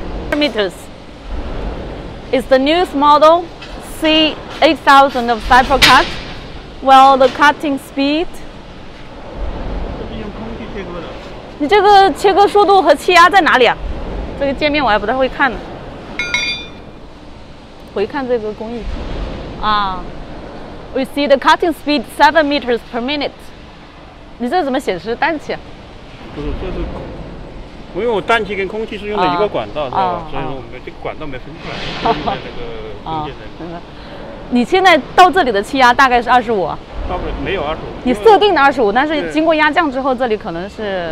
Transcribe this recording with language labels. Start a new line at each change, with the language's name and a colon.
English: meters. It's the newest model, C8000 of cypercut. Well, the cutting speed.
Chinese: 这是用空气切割的。你这个切割速度和气压在哪里啊?这个界面我还不太会看呢。回看这个工艺,
English: we see the cutting speed 7 meters per minute.
Chinese: 你这怎么显示氮气？不是，这是，因为我氮气跟空气是用的一个管道，知道吧？所以说我们这个管道没分出来，在那个中间。你现在到这里的气压大概是25？到不了，没有25。你设定的25，但是经过压降之后，这里可能是